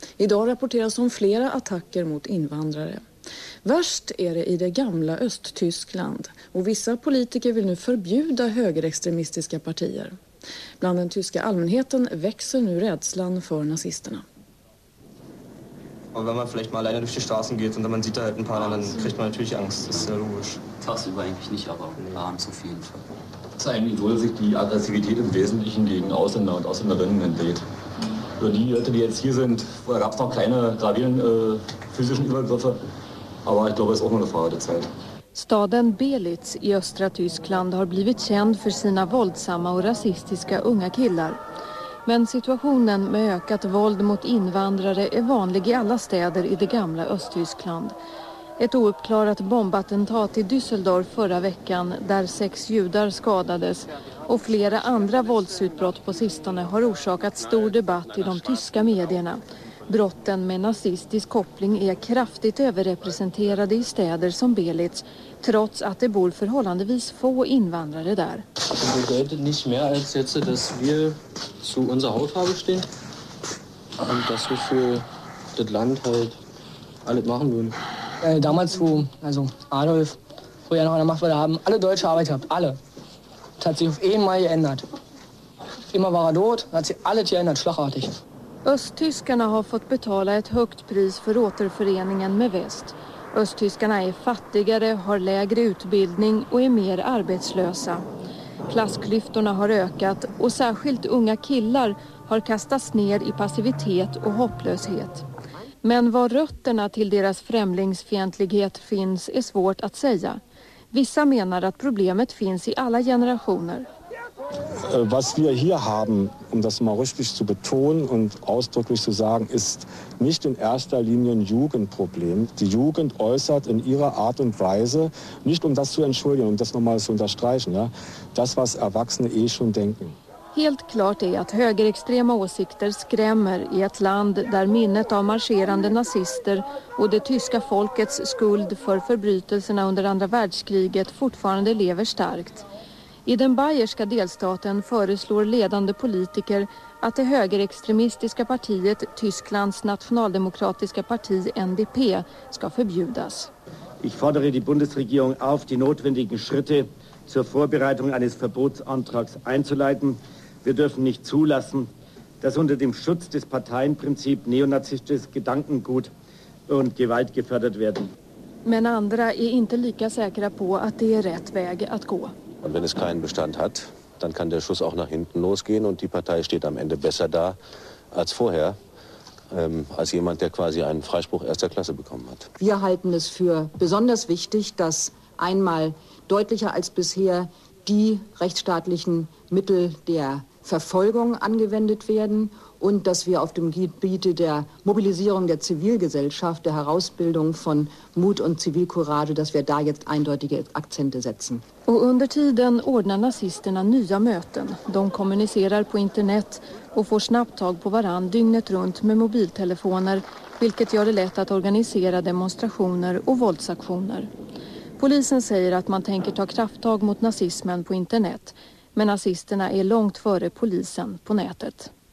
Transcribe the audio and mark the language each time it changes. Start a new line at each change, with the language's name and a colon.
Swedish: Idag rapporteras om flera attacker mot invandrare. Värst är det i det gamla Östtyskland och vissa politiker vill nu förbjuda högerextremistiska partier. Bland den tyska allmänheten växer nu rädslan för nazisterna.
German: Und wenn man vielleicht mal alleine durch die Straßen geht und dann man sieht da halt ein paar, dann kriegt man natürlich Angst. Das ist ja logisch. Tagsüber eigentlich nicht, aber abends auf jeden Fall. Zeigen die wohl sich die Aggressivität im Wesentlichen gegen Ausländer und Ausländerinnen entlädt. Mhm. Die Leute, die jetzt hier sind, vorher gab es noch kleine gravierende physischen Übergriffe, aber ich glaube, es ist auch nur eine Frage der Zeit.
Swedish: Staden Belitz i östra Tyskland har blivit känd för sina våldsamma och rasistiska unga killar. Men situationen med ökat våld mot invandrare är vanlig i alla städer i det gamla Östtyskland. Ett ouppklarat bombattentat i Düsseldorf förra veckan där 6 judar skadades och flera andra våldsutbrott på sistone har orsakat stor debatt i de tyska medierna. Brotten med nazistisk koppling är kraftigt överrepresenterade i städer som Belitz, trots att det bor förhållandevis få invandrare där. Det betyder inte mer än att vi
German: zu unserer Hautfarbe stehen und dass wir für das Land halt alles machen würden. Damals wo also Adolf vorher noch an der Macht war, haben alle deutsche Arbeit gehabt, alle. Das hat sich auf einmal geändert. Immer war er tot, hat sich alles geändert, schlagartig.
Swedish: Östtyskarna har fått betala ett högt pris för återföreningen med väst. Östtyskarna är fattigare, har lägre utbildning och är mer arbetslösa. Klassklyftorna har ökat och särskilt unga killar har kastats ner i passivitet och hopplöshet. Men var rötterna till deras främlingsfientlighet finns är svårt att säga. Vissa menar att problemet finns i alla generationer.
German: Was wir hier haben, um das mal richtig zu betonen und ausdrücklich zu sagen, ist nicht in erster Linie ein Jugendproblem. Die Jugend äußert in ihrer Art und Weise, nicht um das zu entschuldigen, um das nochmal zu unterstreichen, ja, das, was Erwachsene eh schon denken.
Swedish: Helt klart är att högerextrema åsikter skrämmer i ett land där minnet av marscherande nazister och det tyska folkets skuld för förbrytelserna under andra världskriget fortfarande lever starkt. I den bayerska delstaten föreslår ledande politiker att det högerextremistiska partiet Tysklands nationaldemokratiska parti NDP ska förbjudas.
German: Ich fordere die Bundesregierung auf, die notwendigen Schritte zur Vorbereitung eines Verbotsantrags einzuleiten. Wir dürfen nicht zulassen, dass unter dem Schutz des Parteienprinzip neonazistisches Gedankengut und Gewalt gefördert werden.
Swedish: Men andra är inte lika säkra på att det är rätt väg att gå.
German: Und wenn es keinen Bestand hat, dann kann der Schuss auch nach hinten losgehen und die Partei steht am Ende besser da als vorher, als jemand, der quasi einen Freispruch erster Klasse bekommen hat. Wir halten es für besonders wichtig, dass einmal deutlicher als bisher die rechtsstaatlichen Mittel der Verfolgung angewendet werden und dass wir auf dem Gebiet der Mobilisierung der Zivilgesellschaft, der Herausbildung von Mut und Zivilcourage, dass wir da jetzt eindeutige Akzente setzen.
Swedish: Och under tiden ordnar nazisterna nya möten. De kommunicerar på internet och får snabbt tag på varann dygnet runt med mobiltelefoner, vilket gör det lätt att organisera demonstrationer och våldsaktioner. Polisen säger att man tänker ta krafttag mot nazismen på internet, men nazisterna är långt före polisen på nätet.